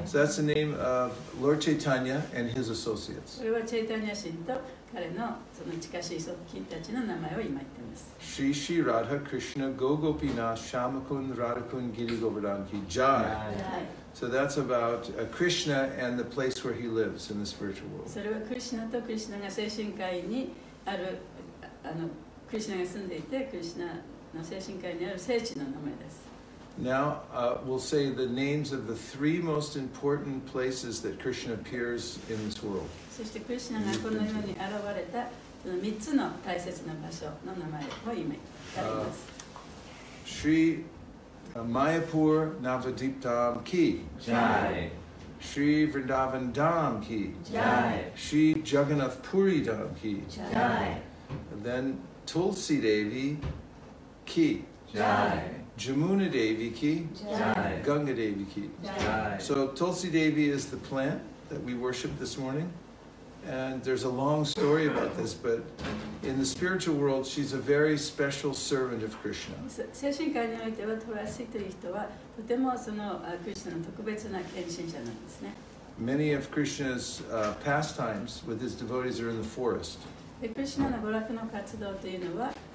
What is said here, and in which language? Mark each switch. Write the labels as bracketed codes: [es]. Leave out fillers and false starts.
[en] So that's the name of Lord Chaitanya and his associates. [ja] これは Chaitanya Shinto, 彼のその近しい側近たちの名前を今言っています [sa] 。Shri Shri Radha Krishna Gogopina Shamakun Radhakun Giri Govardhan Ki. Jai. Jai. [en] So that's about Krishna and the place where he lives in the spiritual world. [ja] それはクリシュナとクリシュナが精神界にあるあのクリシナが住んでいて、クリシナの精神界にある聖地の名前です。 [en] Now, we'll say the names of the three most important places that Krishna appears in this world. [ja] そしてクリシナがこの世に現れたその3つの大切な場所の名前を言います。 [sa] Shri Mayapur Navadip Dham Ki. Jai. Shri Vrindavan Dham Ki. Jai. Shri Jagannath Puri Dham Ki. Jai. [en] And then, [sa] Tulsi Devi Ki. Jai. Jamuna Devi Ki. Jai. Ganga Devi Ki. Jai. [en] So Tulsi Devi is the plant that we worship this morning. And there's a long story about this, but in the spiritual world, she's a very special servant of Krishna. [ja] 精神界においては、Tulsi という人はとてもそのクリシナの特別な献身者なんですね。 [en] Many of Krishna's pastimes with his devotees are in the forest. [ja] クリシュナの娯楽の活動というのは